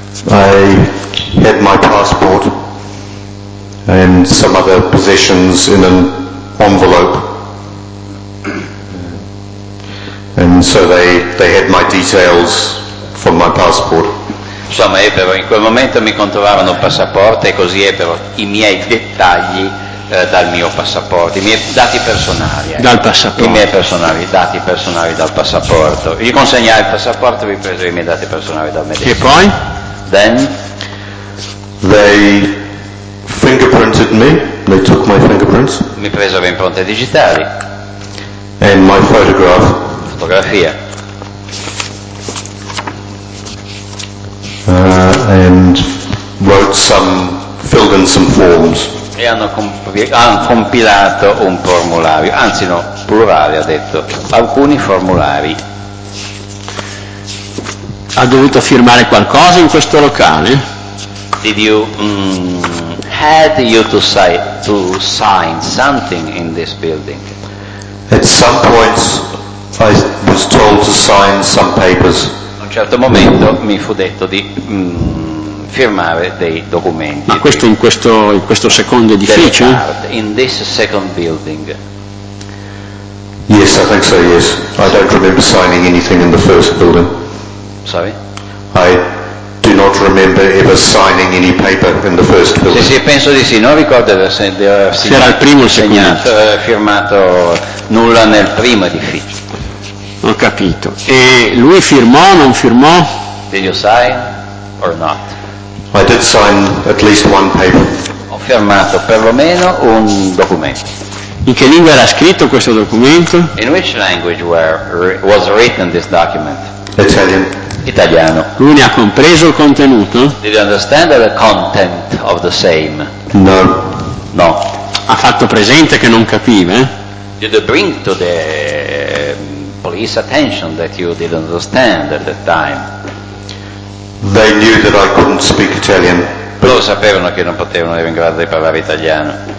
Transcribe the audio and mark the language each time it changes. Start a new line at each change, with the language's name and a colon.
English: I had my passport and some other possessions in an envelope. And so they had my details from my passport.
Italian: Insomma, ebbero, in quel momento mi controllarono il passaporto e così ebbero i miei dettagli dal mio passaporto, i miei dati personali. Dal passaporto. I miei personali, dati personali dal passaporto. Io consegnai il passaporto e mi presero i miei dati personali dal medico. E poi?
English: Then? They fingerprinted me. They took my fingerprints.
Italian: Mi presero le impronte digitali.
English: And my photograph.
Italian: Fotografia.
English: And wrote some, filled in some forms.
Italian: E hanno compilato un formulario, anzi no, plurale ha detto, alcuni formulari. Ha dovuto firmare qualcosa in questo locale?
English: Did you had you to sign something in this building? At some point I was told to sign some papers.
Italian: A un certo momento mi fu detto di firmare dei documenti. Ma questo in questo secondo edificio?
English: In this second building. Yes, I think so, yes. I don't remember signing anything in the first building. Sorry? I do not remember ever signing any paper in the first building.
Italian: Sì, penso di sì, non ricordo di aver era il primo il segnato, firmato nulla nel primo edificio. Ho capito. E lui firmò, non firmò?
English: Did you sign or not? I did sign at least one paper.
Italian: Ho firmato perlomeno un documento. In che lingua era scritto questo documento?
English: In which language was written this document? Italian.
Italian: Italiano. Lui ne ha compreso il contenuto?
English: Did you understand the content of the same? No.
Italian: No. Ha fatto presente che non capiva?
English: Did you bring to the police attention that you didn't understand at that time? They knew that I couldn't speak Italian.
Italian: Loro sapevano che non potevano essere in grado di parlare italiano.